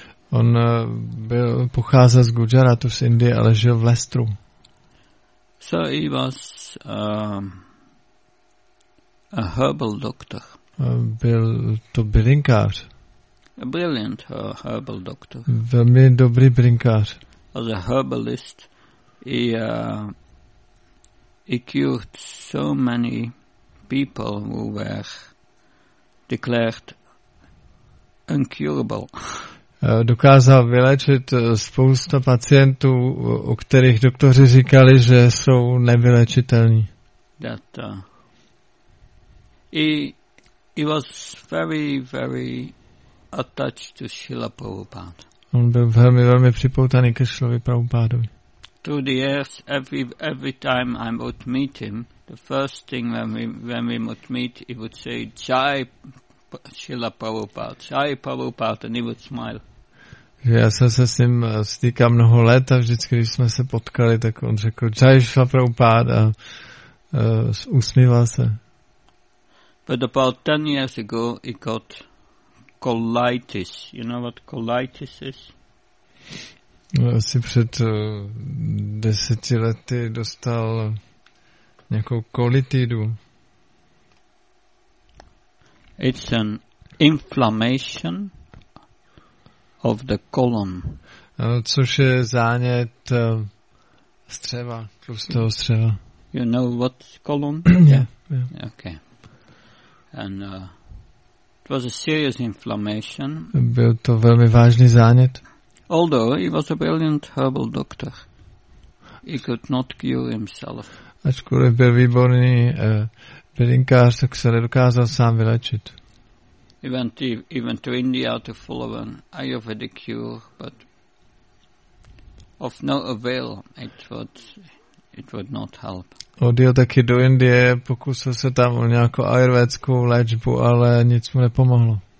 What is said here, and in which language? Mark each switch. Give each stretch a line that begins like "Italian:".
Czech: On byl pocházel z Gujaratu z Indie, ale žil v Leicesteru.
English: So he was a herbal doctor.
Czech: Byl to bylinkář.
English: A brilliant herbal doctor.
Czech: Velmi dobrý bylinkář.
English: As a herbalist, he cured so many people who were declared incurable.
Czech: dokázal vyléčit spousta pacientů, o kterých doktoři říkali, že jsou nevyléčitelní.
English: That he was very, very attached to Srila Prabhupada.
Czech: On byl velmi, velmi připoutaný ke Srilovi Prabhupádovi.
English: Through the years, every time I would meet him, the first thing when we would meet, he would say, Jai Srila Prabhupada, Jai Prabhupada, and he would smile.
Czech: Že já jsem se s ním stýkal mnoho let a vždycky, když jsme se potkali, tak on řekl Jai Srila Prabhupada a usmíval se.
English: But about 10 years ago, he got colitis. You know what colitis is?
Czech: Asi před 10 lety dostal nějakou kolitidu.
English: It's an inflammation of the colon.
Czech: Což je zánět střeva, tlustého střeva.
English: You know what colon? Yeah. Okay. And it was a serious inflammation.
Czech: Byl to velmi vážný zánět.
English: Although he was a brilliant herbal doctor, he could not cure himself.
Czech: Ačkoliv byl výborný bylinkář, tak se nedokázal sám vylečit.
English: He went even to India to follow an Ayurvedic cure, but of no avail. It would not help.
Czech: Odjel taky do Indie, pokusil se tam o nějakou ayurvédskou léčbu, ale nic mu nepomohlo.